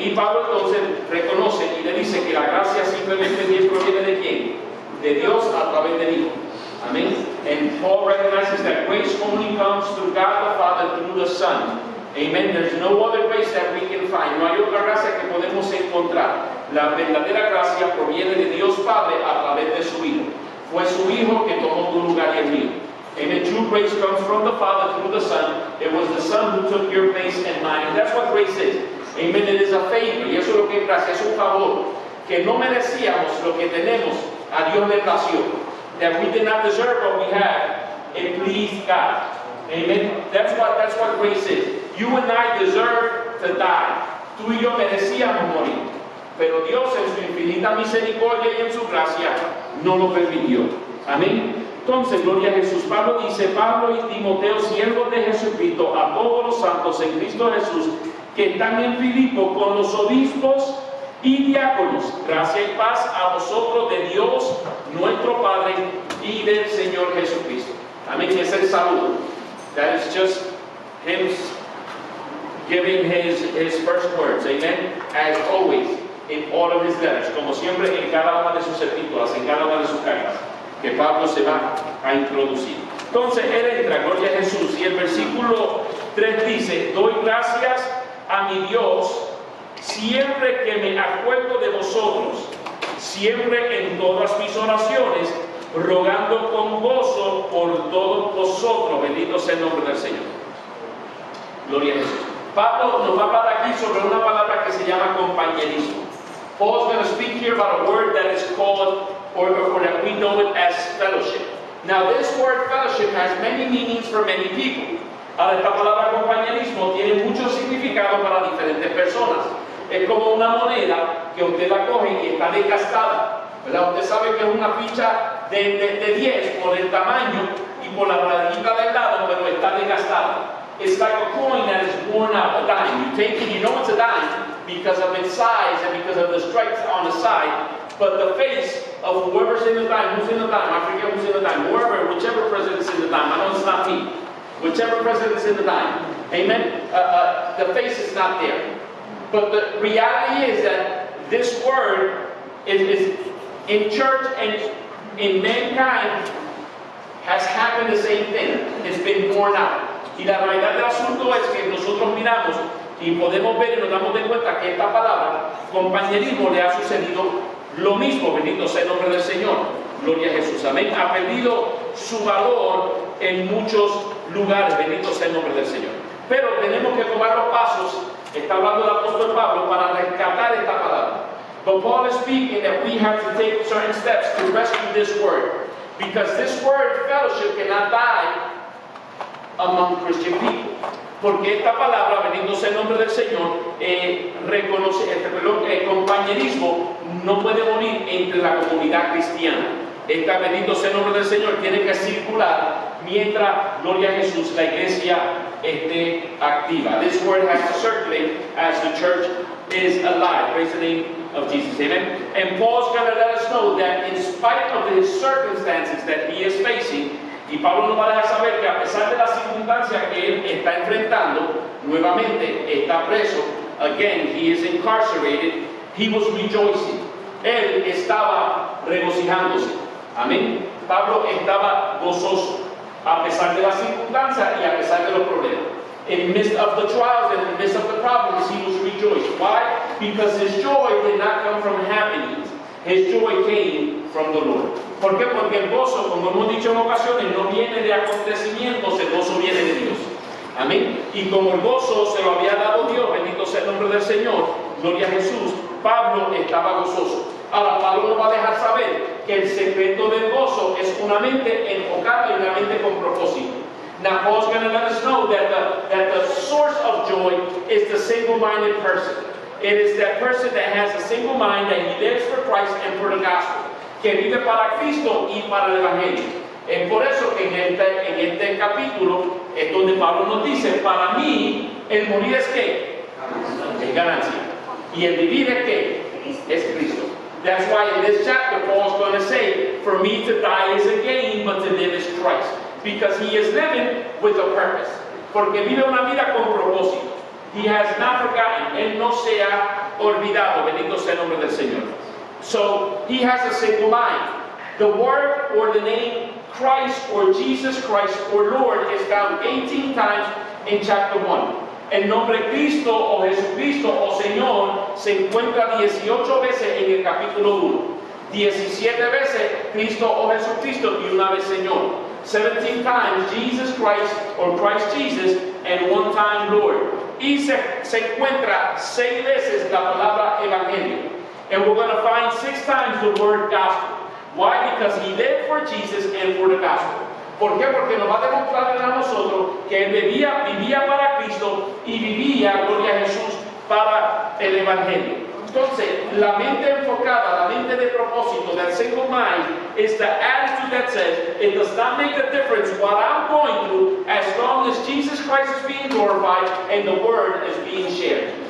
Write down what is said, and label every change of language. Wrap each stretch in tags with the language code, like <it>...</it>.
<es>Y Pablo entonces reconoce y le dice que la gracia simplemente proviene de quién? De Dios a través del Hijo. Amén.</es> <en>And Paul recognizes that grace only comes through God the Father through the Son. Amen. There's no other grace that we can find.</en> <es>No hay otra gracia que podemos encontrar. La verdadera gracia proviene de Dios Padre a través de su Hijo. Fue su Hijo que tomó tu lugar y el mío.</es> <en>Amen. True grace comes from the Father through the Son. It was the Son who took your place and mine. And that's what grace is. Amen. It is a favor.</en> <es>Y eso es lo que es gracia. Es un favor. Que no merecíamos lo que tenemos. A Dios le plació.</es> <en>That we did not deserve what we had. It pleased God. Amen. That's what grace is. You and I deserve to die.</en> <es>Tú y yo merecíamos morir. Pero Dios en su infinita misericordia y en su gracia no lo permitió. Amén. Entonces, gloria a Jesús. Pablo dice, Pablo y Timoteo, siervos de Jesucristo, a todos los santos en Cristo Jesús, que están en Filipo con los obispos y diáconos. Gracia y paz a vosotros de Dios, nuestro Padre, y del Señor Jesucristo. Amén. Es el saludo.</es> <en>That is just him giving his first words. Amen. As always, in all of his letters.</en> <es>Como siempre, en cada una de sus epístolas, en cada una de sus cartas. Que Pablo se va a introducir. Entonces él entra, gloria a Jesús, y el versículo 3 dice: doy gracias a mi Dios siempre que me acuerdo de vosotros, siempre en todas mis oraciones, rogando con gozo por todos vosotros. Bendito sea el nombre del Señor. Gloria a Jesús. Pablo nos va a hablar aquí sobre una palabra que se llama compañerismo.</es> <en>Paul's going to speak here about a word that is called, or that we know it as, fellowship. Now this word fellowship has many meanings for many people.</en> <es>Ahora esta palabra compañerismo tiene mucho significado para diferentes personas. Es como una moneda que usted la coge y está desgastada, ¿verdad? Usted sabe que es una ficha de 10 por el tamaño y por la rayita del lado, pero está desgastada.</es> <en>It's like a coin that is worn out, a dime. You take it, you know it's a dime because of its size and because of the stripes on the side. But the face of whoever's in the dime, who's in the dime, I forget who's in the dime, whoever, whichever president's in the dime, I know it's not me, whichever president's in the dime, amen, the face is not there. But the reality is that this word is in church and in mankind has happened the same thing. It's been worn out.</en> <es>Y la realidad del asunto es que nosotros miramos y podemos ver y nos damos de cuenta que esta palabra, compañerismo, le ha sucedido lo mismo. Bendito sea el nombre del Señor. Gloria a Jesús. Amén. Ha perdido su valor en muchos lugares. Bendito sea el nombre del Señor. Pero tenemos que tomar los pasos. está hablando el apóstol Pablo para rescatar esta palabra.</es> <en>But Paul is speaking that we have to take certain steps to rescue this word. Because this word, fellowship, cannot die among Christian people.</en> <es>Porque esta palabra, bendito sea el nombre del Señor, compañerismo no puede morir entre la comunidad cristiana. Esta, bendito sea el nombre del Señor, tiene que circular mientras, gloria a Jesús, la iglesia esté activa.</es> <en>This word has to circulate as the church is alive. Praise the name of Jesus. Amen. And Paul's going to let us know that in spite of the circumstances that he is facing,</en> <es>y Pablo nos va a dejar saber que a pesar de las circunstancias que él está enfrentando, nuevamente está preso,</es> <en>again, he is incarcerated, he was rejoicing.</en> <es>Él estaba regocijándose. Amén. Pablo estaba gozoso a pesar de las circunstancias y a pesar de los problemas.</es> <en>In the midst of the trials and in the midst of the problems, he was rejoicing. Why? Because his joy did not come from happiness. His joy came from the Lord.</en> <es>¿Por qué? Porque el gozo, como hemos dicho en ocasiones, no viene de acontecimientos, el gozo viene de Dios. Amén. Y como el gozo se lo había dado Dios, bendito sea el nombre del Señor, gloria a Jesús, Pablo estaba gozoso. Ahora, Pablo nos va a dejar saber que el secreto del gozo es una mente enfocada y una mente con propósito.</es> <en>Now, Paul's going to let us know that the source of joy is the single-minded person. It is that person that has a single mind, that he lives for Christ and for the gospel.</en> <es>Que vive para Cristo y para el Evangelio. Es por eso que en este capítulo es donde Pablo nos dice, para mí, el morir es ¿qué? Es ganancia. Y el vivir es ¿qué? Es Cristo.</es> <en>That's why in this chapter, Paul's going to say, for me to die is a gain, but to live is Christ. Because he is living with a purpose.</en> <es>Porque vive una vida con propósito.</es> <en>He has not forgotten.</en> <es>Él no se ha olvidado. Bendito sea el nombre del Señor.</es> <en>So, he has a single mind. The word or the name Christ or Jesus Christ or Lord is found 18 times in chapter 1.</en> <es>El nombre Cristo o Jesucristo o Señor se encuentra 18 veces en el capítulo 1. 17 veces Cristo o Jesucristo y una vez Señor.</es> <en>17 times Jesus Christ or Christ Jesus and one time Lord.</en> <es>Y se encuentra 6 veces la palabra Evangelio.</es> <en>And we're going to find 6 times the word Gospel. Why? Because he lived for Jesus and for the Gospel.</en> <es>¿Por qué? Porque nos va a demostrar a nosotros que él vivía para Cristo y vivía, gloria a Jesús, para el Evangelio. Entonces, la mente enfocada, la mente de propósito,</es> <en>that single mind, is the attitude that says, it does not make a difference what I'm going through as long as Jesus Christ is being glorified and the word is being shared.</en>